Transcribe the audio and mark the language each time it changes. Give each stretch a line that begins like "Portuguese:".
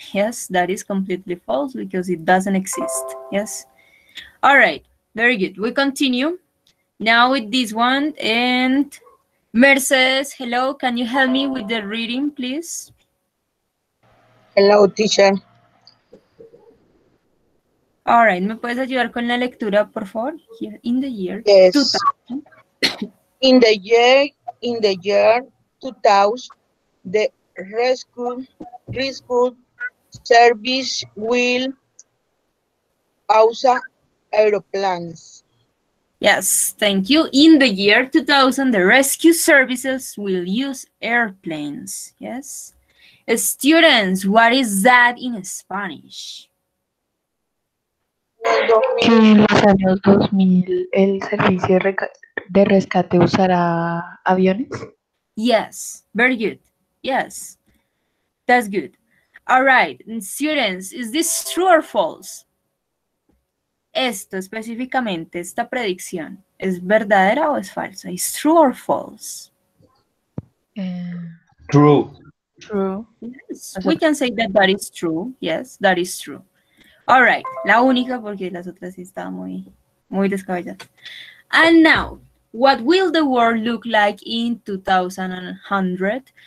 English: Yes, that is completely false because it doesn't exist. Yes. All right. Very good. We continue. Now with this one and Mercedes, hello, can you help me with the reading, please? Hello, teacher. All right,
Spanish: ¿me puedes ayudar con la lectura, por favor?
English: Here in the year. Yes. 2000. In the year 2000, the rescue service will use aeroplanes. Yes, thank you. In the year 2000, the rescue services will use airplanes. Yes. Students, what is that in Spanish?
Spanish: En los años 2000, el servicio de rescate usará aviones.
English: Yes, very good. Yes, that's good. All right, students, is this true or false?
Spanish: Esto específicamente, esta predicción, ¿es verdadera o es falsa? ¿Es
English: true or false? True. True. Yes, we can say that is true. Yes, that is true. All right,
Spanish: la única porque las otras sí estaban muy, muy descabelladas.
English: And now, what will the world look like in 2100?